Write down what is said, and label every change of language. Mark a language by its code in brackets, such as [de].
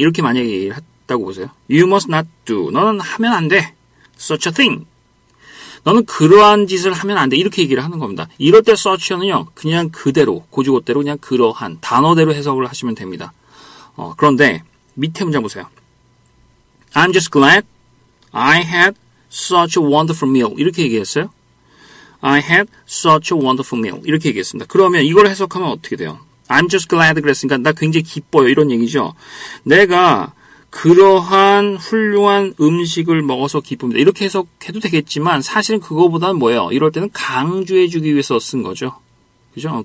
[ko] 이렇게 만약에 했다고 보세요. [en] You must not do. [ko] 너는 하면 안 돼. [en] Such a thing. [ko] 너는 그러한 짓을 하면 안 돼. 이렇게 얘기를 하는 겁니다. 이럴 때 such는요. 그냥 그대로, 고지고대로 그냥 그러한 단어대로 해석을 하시면 됩니다. 그런데 밑에 문장 보세요. [en] I'm just glad I had such a wonderful meal. [ko] 이렇게 얘기했어요. [en] I had such a wonderful meal. [ko] 이렇게 얘기했습니다. 그러면 이걸 해석하면 어떻게 돼요? [en] I'm just glad [ko] 그랬으니까 나 굉장히 기뻐요. 이런 얘기죠. 내가 그러한 훌륭한 음식을 먹어서 기쁩니다. 이렇게 해석해도 되겠지만 사실은 그거보다는 뭐예요? 이럴 때는 강조해주기 위해서 쓴 거죠. 그죠?